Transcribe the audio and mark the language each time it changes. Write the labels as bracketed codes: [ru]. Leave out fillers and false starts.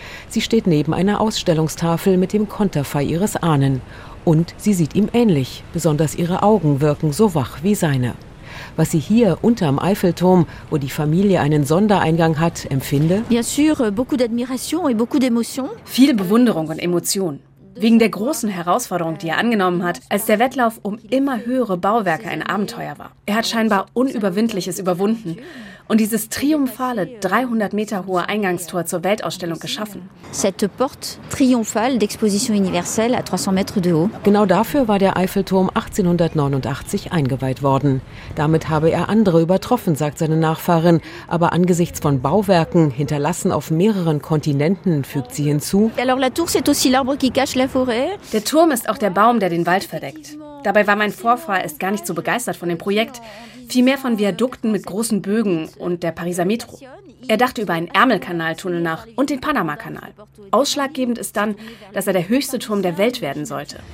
[de] Sie steht neben einer Ausstellungstafel mit dem Konterfei ihres Ahnen. Und sie sieht ihm ähnlich. Besonders ihre Augen wirken so wach wie seine. Was sie hier unterm Eiffelturm, wo die Familie einen Sondereingang hat, empfinde? [fr] Bien sûr, beaucoup d'admiration et beaucoup d'émotion. [de] Viel Bewunderung und Emotion. Wegen der großen Herausforderung, die er angenommen hat, als der Wettlauf um immer höhere Bauwerke ein Abenteuer war. Er hat scheinbar Unüberwindliches überwunden und dieses triumphale 300 Meter hohe Eingangstor zur Weltausstellung geschaffen. [fr] Cette porte triomphale d'exposition universelle à 300 mètres de haut. [de] Genau dafür war der Eiffelturm 1889 eingeweiht worden. Damit habe er andere übertroffen, sagt seine Nachfahrin. Aber angesichts von Bauwerken, hinterlassen auf mehreren Kontinenten, fügt sie hinzu. [fr] Alors la tour c'est aussi l'arbre qui cache la forêt. [de] Der Turm ist auch der Baum, der den Wald verdeckt. Dabei war mein Vorfahr erst gar nicht so begeistert von dem Projekt. Vielmehr von Viadukten mit großen Bögen und der Pariser Metro. Er dachte über einen Ärmelkanaltunnel nach und den Panamakanal. Ausschlaggebend ist dann, dass er der höchste Turm der Welt werden sollte.